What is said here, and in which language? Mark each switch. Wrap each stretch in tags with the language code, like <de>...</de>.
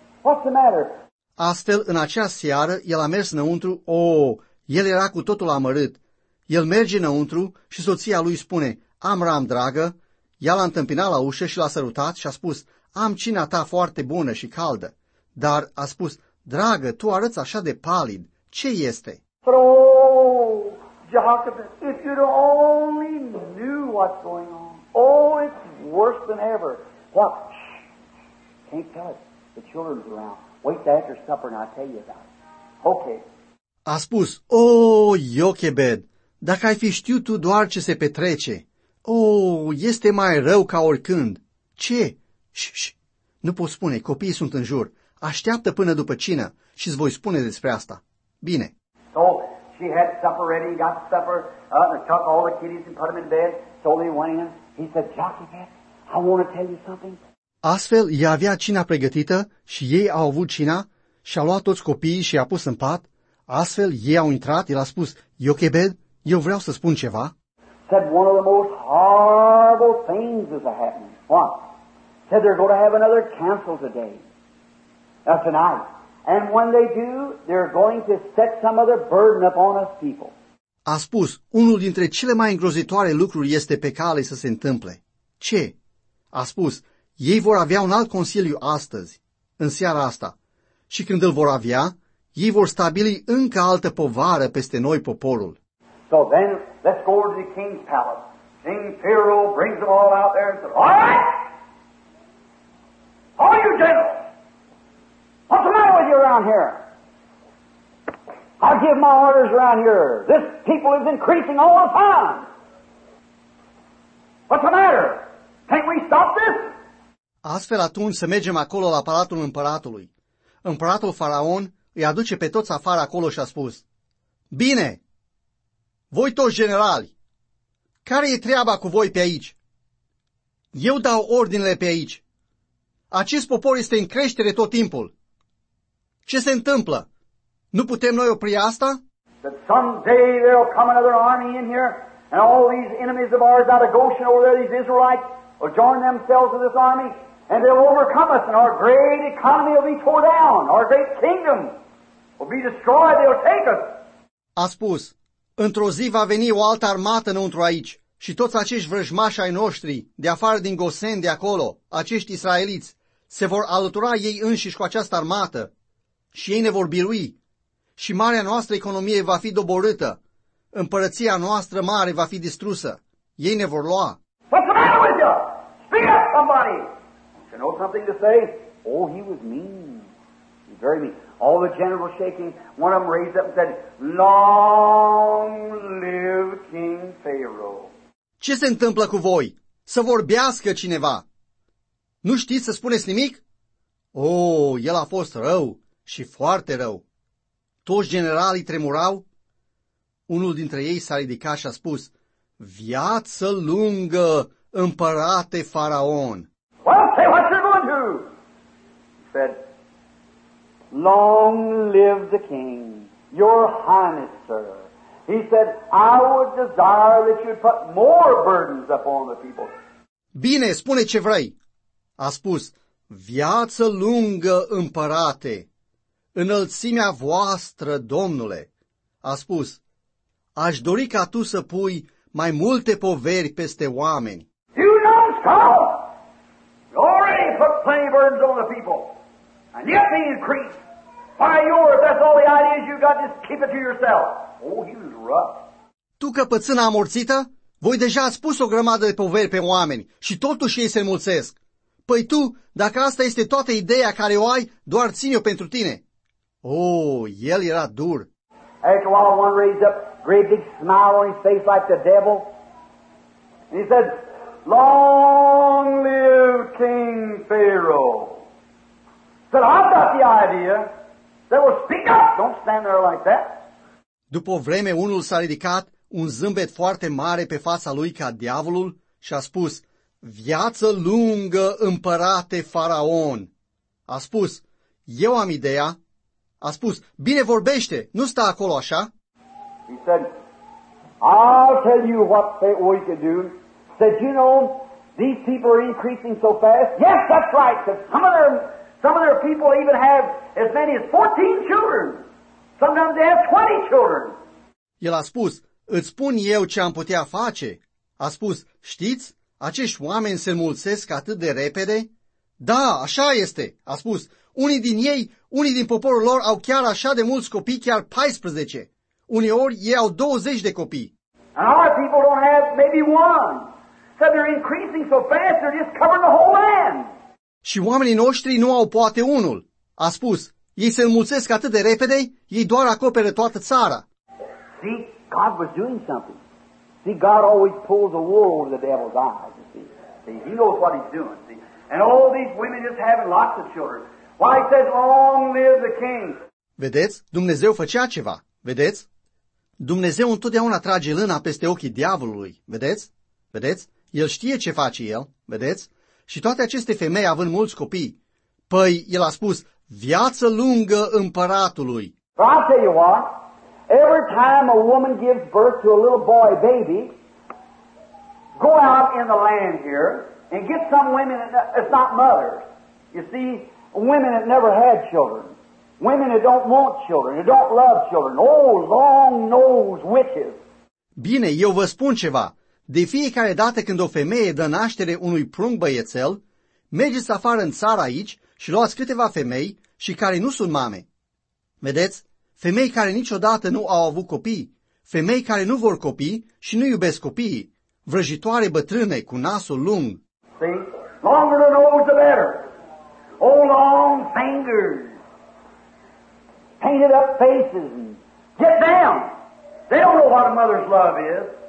<en>What's the matter?"</en> <ro>Astfel, în acea seară, el a mers înăuntru, oh, el era cu totul amărât. El merge înăuntru și soția lui spune, "Amram, dragă," ea l-a întâmpinat la ușă și l-a sărutat și a spus, "Am cina ta foarte bună și caldă." Dar a spus, "Dragă, tu arăți așa de palid. Ce este?"</ro> <en>"Oh, Jacob, if you'd only knew what's going on. Oh, it's worse than ever. What? Shh. Can't tell it. The children's around. Wait till after supper and I'll tell you about it. Okay."</en> <ro>A spus, "Oh, Jochebed, dacă ai fi știut tu doar ce se petrece. Oh, este mai rău ca oricând. Ce? Ș-ș-ș. Nu pot spune, copiii sunt în jur. Așteaptă până după cină și îți voi spune despre asta. Bine."</ro> <en>So, she had supper ready, got supper, and took all the kiddies and put them in bed. So they went in. He said, "Jockey, I want to tell you something."</en> <ro>Astfel, ea avea cina pregătită și ei au avut cina și a luat toți copiii și i-a pus în pat. Astfel, ei au intrat, el a spus, "Jochebed, eu vreau să spun ceva."</ro> <en>Said one of the most horrible things is happening. What? Said they're going to have another council today. Now tonight. And when they do, they're going to set some other burden upon us people.</en> <ro>A spus, unul dintre cele mai îngrozitoare lucruri este pe cale să se întâmple. Ce? A spus, ei vor avea un alt consiliu astăzi, în seara asta. Și când îl vor avea, ei vor stabili încă altă povară peste noi poporul.</ro> <en>So then, let's go over to the king's palace. King Pharaoh brings them all out there and says, "All right! All you generals! What's the matter with you around here? I give my orders around here. This people is increasing all the time. What's the matter? Can't we stop this?"</en> <ro>Astfel atunci să mergem acolo la palatul împăratului. Împăratul Faraon îi aduce pe toți afară acolo și a spus, "Bine! Voi toți generali, care e treaba cu voi pe aici? Eu dau ordinele pe aici. Acest popor este în creștere tot timpul. Ce se întâmplă? Nu putem noi opri asta?"</ro> <en>"That someday there will come another army in here and all these enemies of ours out of Goshen over there, these Israelites, will join themselves to this army And they'll overcome us, and our great economy will be torn down. Our great kingdom will be destroyed. They'll take us.</en> <ro>A spus, într-o zi va veni o altă armată înăuntru aici. Și toți acești vrăjmași ai noștri, de afară din Gosen, de acolo, acești israeliți, se vor alătura ei înșiși cu această armată și ei ne vor birui. Și marea noastră economie va fi doborâtă, împărăția noastră mare va fi distrusă, ei ne vor lua.</ro> <en>What's the matter with you? Speak up, somebody! You know something to say? Oh, he was mean. He's very mean. All the generals shaking, one of them raised up and said, Long live King Pharaoh!</en> <ro>Ce se întâmplă cu voi? Să vorbească cineva! Nu știți să spuneți nimic? Oh, el a fost rău și foarte rău. Toți generalii tremurau. Unul dintre ei s-a ridicat și a spus, Viață lungă, împărate faraon!</ro> <en>Well, say what you're going to! He said, Long live the king, your highness, sir. He said, I would desire that you'd put more burdens upon the people.</en> <ro>Bine, spune ce vrei. A spus, viață lungă, împărate, înălțimea voastră, domnule. A spus, aș dori ca tu să pui mai multe poveri peste oameni.</ro> <en>You know, Scott, you already put plenty of burdens on the people, and yet they increase. Why yours, that's all the ideas you got, just keep it to yourself. Oh, he was rough.</en> <ro>Tu căpățâna amorțită, voi deja ați pus o grămadă de poveri pe oameni și totuși ei se înmulțesc. Păi tu, dacă asta este toată ideea care o ai, doar ține-o pentru tine. Oh, el era dur.</ro> <en>After a while, one raised up a great big smile on his face like the devil. And he said, Long live King Pharaoh. Said, I've got the idea. They will speak up. Don't stand there like that.</en> <ro>După o vreme, unul s-a ridicat, un zâmbet foarte mare pe fața lui ca diavolul și a spus, Viață lungă, împărate faraon! A spus, eu am ideea. A spus, bine vorbește, nu sta acolo așa.</ro> <en>He said, I'll tell you what we can do. Said, you know, these people are increasing so fast. Yes, that's right, said, some of their people even have as many as 14 children. Sometimes they have 20 children.</en> <ro>El a spus, îți spun eu ce am putea face. A spus, știți? Acești oameni se înmulțesc atât de repede? Da, așa este, a spus. Unii din ei, unii din poporul lor au chiar așa de mulți copii, chiar 14. Uneori ei au 20 de copii.</ro> <en>And our people don't have maybe one. So they're increasing so fast, they're just covering the whole land.</en> <ro>Și oamenii noștri nu au poate unul, a spus. Ei se înmulțesc atât de repede, ei doar acoperă toată țara.</ro> <en>See, God was doing something. See, God always pulls the wool over the devil's eyes, you see. See, he knows what he's doing, see. And all these women just having lots of children. Why, he says, long live the king.</en> <ro>Vedeți? Dumnezeu făcea ceva. Vedeți? Dumnezeu întotdeauna trage lâna peste ochii diavolului. Vedeți? Vedeți? El știe ce face el. Vedeți? Și toate aceste femei având mulți copii. Păi, el a spus, viață lungă împăratului.</ro> <en>But I'll tell you what. Every time a woman gives birth to a little boy, a baby, go out in the land here and get some women that's not mothers. You see, women that never had children, women that don't want children, that don't love children, oh, long-nosed witches.</en> <ro>Bine, eu vă spun ceva. De fiecare dată când o femeie dă naștere unui prunc băiețel, mergeți afară în țară aici și luați câteva femei și care nu sunt mame. Vedeți? Femei care niciodată nu au avut copii, femei care nu vor copii și nu iubesc copiii, vrăjitoare bătrâne cu nasul lung.</ro> <en>See? Longer the nose the better. Oh, long fingers. Painted up faces. Get down. They don't know what a mother's love is.</en>